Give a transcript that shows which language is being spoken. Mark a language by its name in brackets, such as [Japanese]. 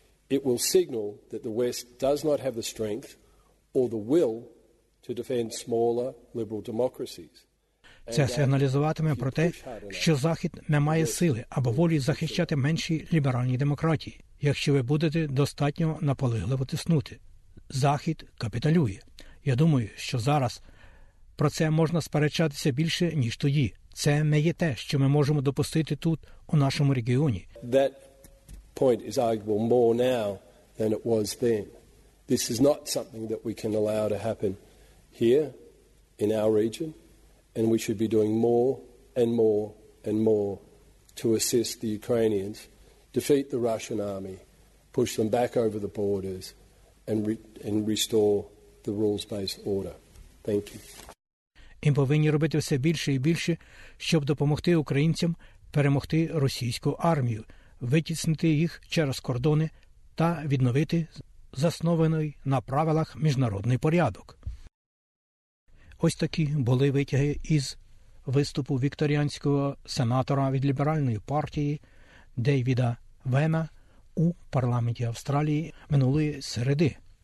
[English] It will signal that the West does not have the strength or the will to defend smaller liberal democracies. [Ukrainian] Це сигналізуватиме про те, що Захід не має сили або волі захищати менші ліберальні демократії, якщо ви будете достатньо наполегливо тиснути. Захід капітулює. Я думаю, що зараз про це можна сперечатися більше, ніж тоді. Це не є те, що ми можемо допустити тут, у нашому регіоні. [English] Point is arguable more now than it was then. This is not something that we can allow to happen here in our region, and we should be doing more and more and more to assist the Ukrainians, defeat the Russian army, push them back over the borders, and restore the rules-based order. Thank you. [Ukrainian] І повинні робити все більше і більше, щоб допомогти українцям перемогти російську армію, витіснити їх через кордони та відновити заснований на правилах міжнародний порядок. Ось такі були витяги із виступу вікторіанського сенатора від ліберальної партії Дейвіда Вема у парламенті Австралії минулої середи.